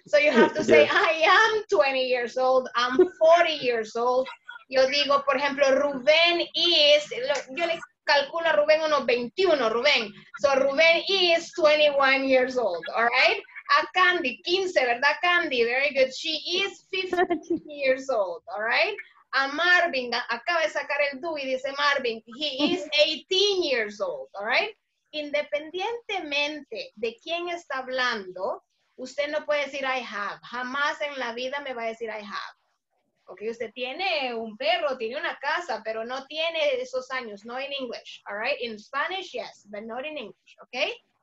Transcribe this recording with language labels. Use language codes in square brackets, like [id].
[en] So you have to say, I am 20 years old. I'm 40 years old. [es] Yo digo, por ejemplo, [en] Rubén is, [es] yo le calculo a Rubén unos 21, Rubén. [en] So Rubén is 21 years old. All right? [es] A Candy, 15, ¿verdad, Candy? [en] Very good. She is 15 years old. All right? [es] A Marvin, acaba de sacar el DUI, dice Marvin, [en] he is 18 years old, all right? [es] Independientemente de quién está hablando, usted no puede decir [en] I have, [es] jamás en la vida me va a decir I have. Ok, usted tiene un perro, tiene una casa, pero no tiene esos años, no [en] in English, all right? [es] In Spanish, yes, [en] but not in English, ok?